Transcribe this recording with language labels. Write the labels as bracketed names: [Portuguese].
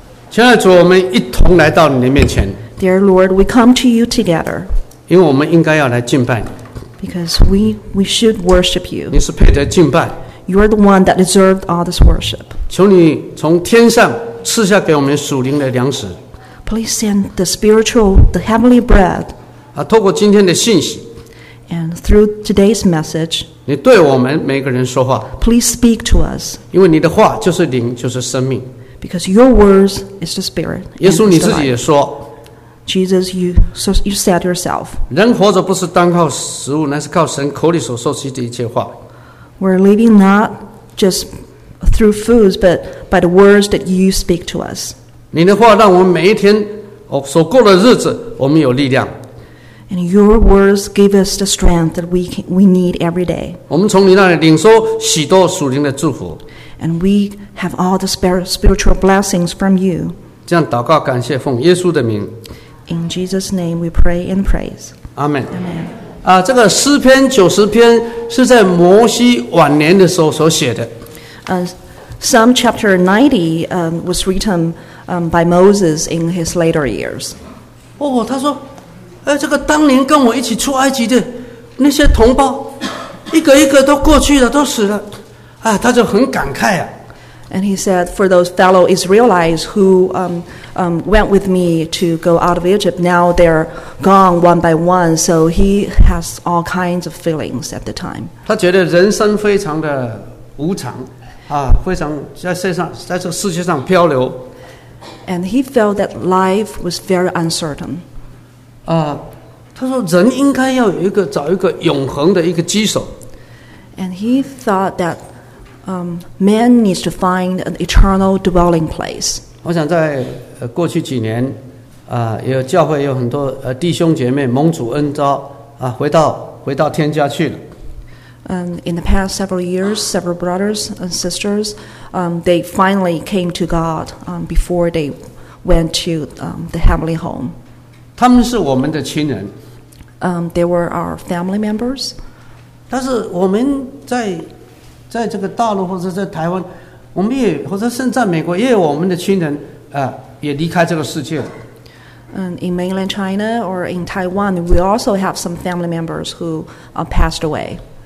[Chinese] 亲爱的主，我们一同来到你的面前。 [English] Dear Lord, we come to you together. [Chinese] 因为我们应该要来敬拜你。 [English] Because we should worship you. [Chinese] 你是配得敬拜。 [English] You are the one that deserved all this worship. [Chinese] 求你从天上赐下给我们属灵的粮食。 [English] Please send the spiritual, the heavenly bread. [Chinese] 透过今天的信息。 [English] And through today's message, [Chinese] 你对我们每个人说话。 [English] Please speak to us. [Chinese] 因为你的话就是灵，就是生命。 [English] Because your words is the spirit. [Chinese] 耶稣你自己也说。 [English] Jesus, you said yourself. [Chinese] 人活着不是单靠食物，乃是靠神口里所说出的一切话。 [English] We're living not just through foods, but by the words that you speak to us. [Chinese] 你的话让我们每一天所过的日子，我们有力量。 [English] And your words give us the strength that we need every day. [Chinese] 我们从你那里领受许多属灵的祝福。 [English] And we have all the spiritual blessings from you. [Chinese] 这样祷告感谢奉耶稣的名。 [English] In Jesus' name we pray and praise. Amen. Amen. [Chinese] 这个诗篇九十篇是在摩西晚年的时候所写的。 [English] Psalm chapter 90 was written by Moses in his later years. [Chinese] 他说这个当年跟我一起出埃及的那些同胞一个一个都过去了都死了他就很感慨啊。 [English] And he said, for those fellow Israelites who went with me to go out of Egypt, now they're gone one by one. So he has all kinds of feelings at the time. [Chinese] 他觉得人生非常的无常非常在这个世界上漂流。 [English] And he felt that life was very uncertain. [Chinese] 他说人应该要有一个找一个永恒的一个基础。 [English] And he thought that man needs to find an eternal dwelling place. [Chinese] 我想在过去几年也有教会有很多弟兄姐妹蒙主恩召回到天家去了。 [English] In the past several years, several brothers and sisters, they finally came to God before they went to the heavenly home. [Chinese] 他们是我们的亲人。 [English] They were our family members. [Chinese] 但是我们在这个大陆或者在台湾我们也或者甚至在美国也有我们的亲人也离开这个世界。 [English] In mainland China or in Taiwan, we also have some family members who passed away.